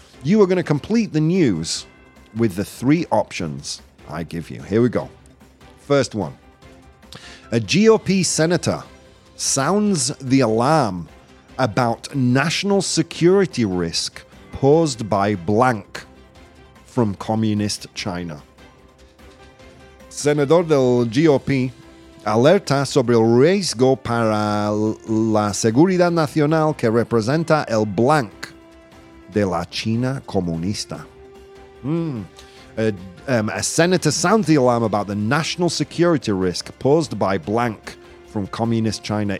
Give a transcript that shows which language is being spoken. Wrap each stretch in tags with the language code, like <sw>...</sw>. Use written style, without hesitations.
<en>You are going to complete the news with the three options I give you. Here we go. First one. A GOP senator sounds the alarm about national security risk posed by blank from communist China.</en> <es>Senador del GOP alerta sobre el riesgo para la seguridad nacional que representa el blank de la China comunista.</es> <en>A senator sounds the alarm about the national security risk posed by blank from communist China.</en>